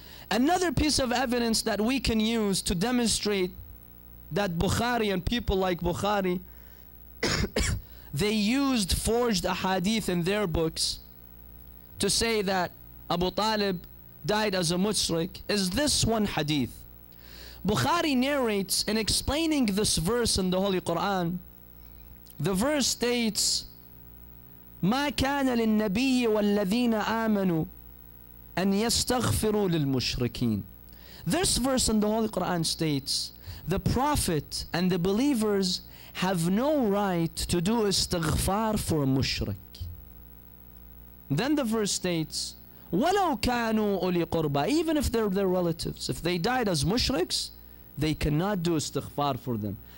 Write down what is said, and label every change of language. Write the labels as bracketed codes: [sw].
[en] Another piece of evidence that we can use to demonstrate that Bukhari and people like Bukhari, they used forged ahadith in their books to say that Abu Talib died as a mushrik, is this one hadith. Bukhari narrates in explaining this verse in the Holy Quran. The verse states, [ar] مَا كَانَ لِلنَّبِيِّ وَالَّذِينَ آمَنُوا أَنْ يَسْتَغْفِرُوا لِلْمُشْرِكِينَ. [en] This verse in the Holy Quran states, the Prophet and the believers have no right to do istighfar for a mushrik. Then the verse states, [ar] وَلَوْ كَانُوا أُولِي قُرْبَى. [en] Even if they're their relatives, if they died as mushriks, they cannot do istighfar for them.